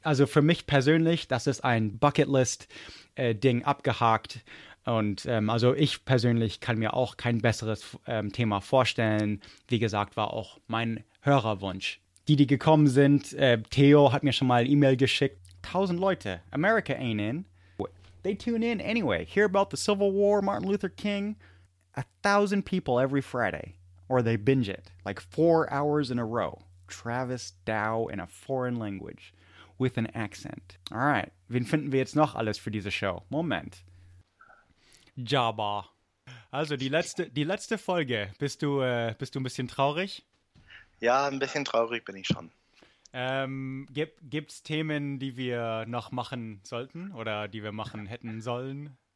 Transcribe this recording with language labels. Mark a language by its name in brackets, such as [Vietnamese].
[German] Also für mich persönlich, das ist ein Bucketlist-Ding abgehakt. Und also ich persönlich kann mir auch kein besseres Thema vorstellen. Wie gesagt, war auch mein Hörerwunsch. Die gekommen sind, Theo hat mir schon mal ein E-Mail geschickt. [English] 1000 Leute. America ain't in. They tune in anyway. Hear about the Civil War, Martin Luther King. 1000 people every Friday. Or they binge it, like 4 hours in a row. Travis Dow in a foreign language, with an accent. All right, [German] wen finden wir jetzt noch alles für diese Show? Moment. Jabba. Also, die letzte Folge. Bist du ein bisschen traurig? Ja, ein bisschen traurig bin ich schon. Gibt's Themen, die wir noch machen sollten oder die wir machen hätten sollen?